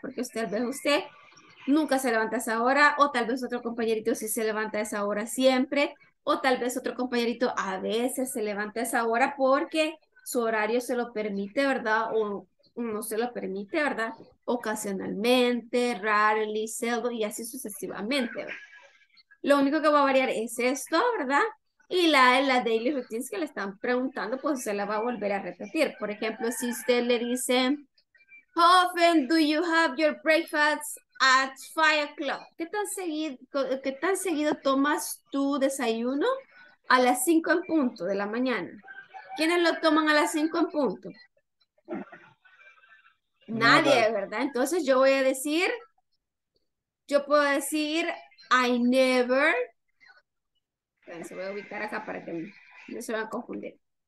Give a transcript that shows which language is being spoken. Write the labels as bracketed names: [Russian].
[Spanish] Porque usted nunca se levanta a esa hora, o tal vez otro compañerito sí se levanta a esa hora siempre, o tal vez otro compañerito a veces se levanta a esa hora porque su horario se lo permite, ¿verdad? O no se lo permite, ¿verdad? Ocasionalmente, rarely, seldom, y así sucesivamente, ¿verdad? Lo único que va a variar es esto, ¿verdad? Y la daily routines que le están preguntando, pues se la va a volver a repetir. Por ejemplo, si usted le dice, [English] how often do you have your breakfast at 5 o'clock? [Spanish] ¿Qué tan seguido tomas tu desayuno a las 5 en punto de la mañana? ¿Quiénes lo toman a las 5 en punto? Nadie, ¿verdad? Entonces yo puedo decir, [English] I never, [Spanish] se voy a ubicar acá para que no se van a confundir.